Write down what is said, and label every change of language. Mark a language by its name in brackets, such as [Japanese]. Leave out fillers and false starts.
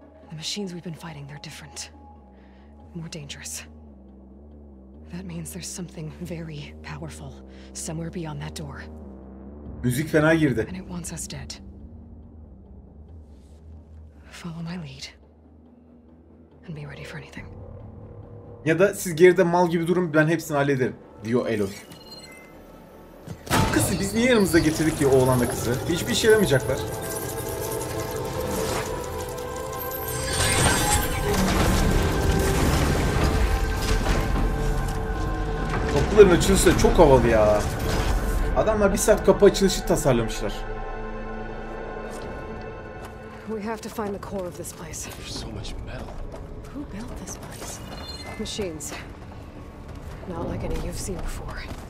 [English] The machines we've been fighting, they're different. More dangerous. That means there's something very powerful somewhere beyond that door. [Turkish] Müzik fena girdi. [English] And it wants us dead. Follow my lead. And be ready for anything. [Turkish] Ya da siz geride mal gibi durun, ben hepsini hallederim diyor Eloy. Kızı biz niye yanımıza getirdik ki, oğlanla kızı? Hiçbir işe yaramayacaklar. Kapıların açılışı çok havalı ya. Adamlar bir saat kapı açılışı tasarlamışlar. [English] We have to find the core of this place. There's so much metal. Who built this place? Machines. Not like any you've seen before.